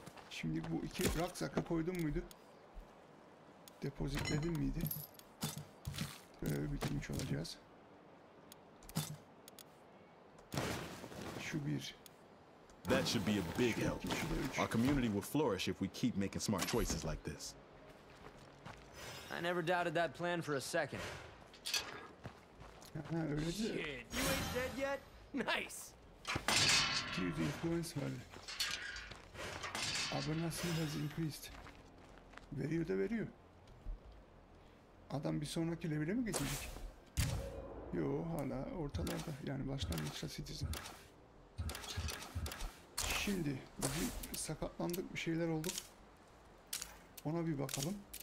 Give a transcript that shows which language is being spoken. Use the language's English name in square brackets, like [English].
[Turkish] Şimdi bu iki raksaka koydun muydu? Depozitledin miydi? Böyle bitirmiş olacağız. Şu bir. [English] That should be a big help. Our community will flourish if we keep making smart choices like this. I never doubted that plan for a second. [Turkish] Ha, öyle [English] de. Shit, you ain't dead yet? Nice. Dude, the influence var. Abonasyon has increased. [Turkish] Veriyor da veriyor. Adam bir sonraki level'e mi geçecek? Yo, hala ortalarda. Yani başlangıçta Citizen. Şimdi bir sakatlandık, bir şeyler oldu. Ona bir bakalım.